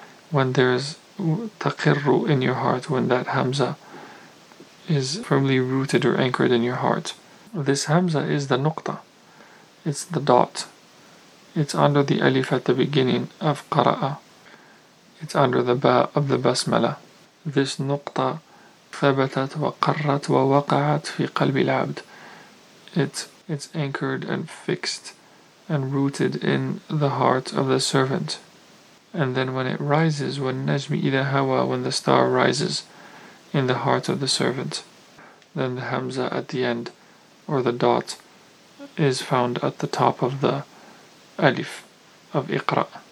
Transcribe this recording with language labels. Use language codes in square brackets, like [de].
[en] When there's taqirru in your heart, when that hamza is firmly rooted or anchored in your heart, this hamza is the nuqta, it's the dot, it's under the alif at the beginning of qara'a, it's under the ba of the basmala. This nuqta [ar] ثبتت وقرت ووقعت في قلب العبد. [en] It's anchored and fixed and rooted in the heart of the servant. And then when it rises, when najmi ida hawa, when the star rises in the heart of the servant, then the hamza at the end, or the dot, is found at the top of the alif of iqra.